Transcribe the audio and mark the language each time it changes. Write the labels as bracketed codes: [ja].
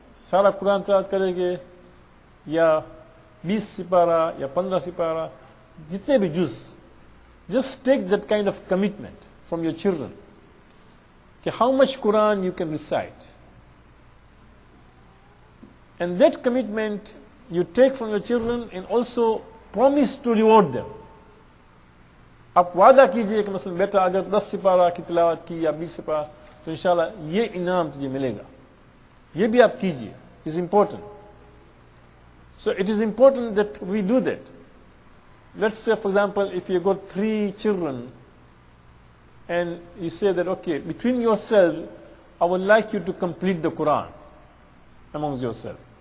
[ur] Sara Quran tilawat karege? Ya 20 sipara, ya 15 sipara? Jitne bhi juz. [en] Just take that kind of commitment from your children. Ki how much Quran you can recite. And that commitment you take from your children and also promise to reward them. [ur] آپ وعدہ کیجئے کہ مثلا بیٹا اگر 10 سپارہ کی تلاوت کی یا 20 سپارہ تو انشاءاللہ یہ انعام تجھے ملے گا. یہ بھی آپ کیجئے. [en] It's important. So it is important that we do that. Let's say for example if you got three children and you say that okay, between yourself I would like you to complete the Quran amongst yourself.